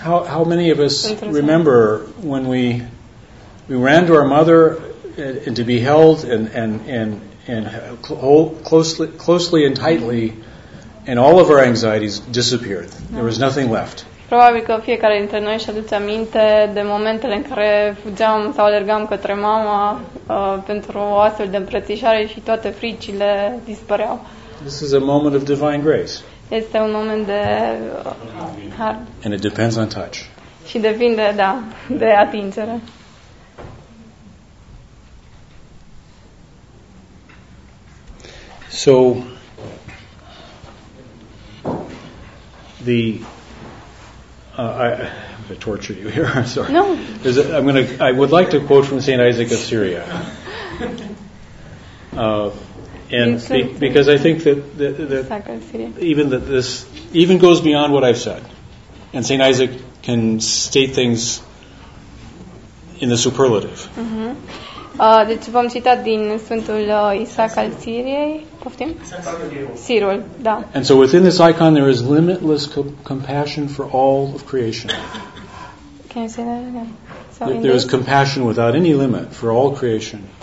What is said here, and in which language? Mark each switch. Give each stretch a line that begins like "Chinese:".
English: How many of us remember when we ran to our mother and to be held and closely and tightly, and all of our anxieties disappeared. There was nothing left.
Romanian: Probabil că fiecare dintre noi își aduce aminte de momentele în care fugeam sau alergam către mama pentru o astfel de îmbrățișare și toate fricile dispăreau.
English: This is a moment of divine grace.
Romanian: Este un moment de har.
English: And it depends on touch.
Romanian: Și depinde, da, de atingere.
English: So the I'm going to torture you here. I'm sorry. No. I would like to quote from St. Isaac of Syria. And because I think that even that this even goes beyond what I've said, and St. Isaac can state things in the superlative.
Romanian: Deci vom cita din Sfântul Isaac al Siriei, poftim? Sirul, da.
English: And so within this icon there is limitless compassion for all of creation. Can you say that again? There is compassion without any limit for all creation.